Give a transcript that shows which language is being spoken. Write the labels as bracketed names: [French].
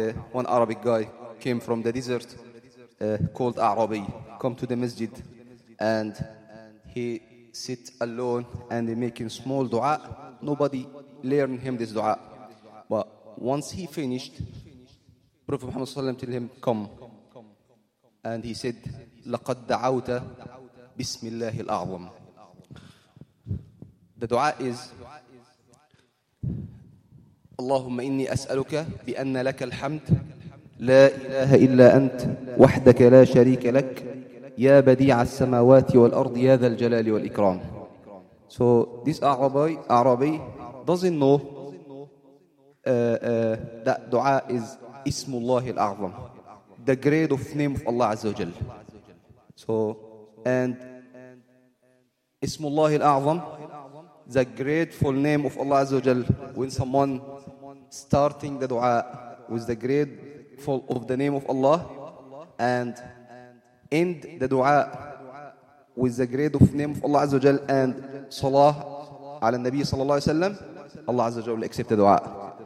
[English] One Arabic guy came from the desert, called Arabi, come to the masjid, and he sit alone and making small dua. Nobody learned him this dua, but once he finished, Prophet Muhammad Sallam told him, come, and he said, [Arabic] لقد دعوت بسم الله الأعظم. [English] The dua is, [Arabic] اللهم إني أسألك بأن لك الحمد لا إله إلا أنت وحدك لا شريك لك يا بديع السماوات والأرض يا ذا الجلال والإكرام. [English] So this Arabi doesn't know that dua is [Arabic] اسم الله الأعظم, [English] the grade of name of Allah عز وجل. So, and Ismullah al-A'zam, the grateful name of Allah Azza wa Jal, when someone starting the dua with the grateful of the name of Allah and end the dua with the grateful name of Allah Azza wa Jal and salah ala al-Nabi sallallahu alayhi wa sallam, Allah Azza wa Jal will accept the dua.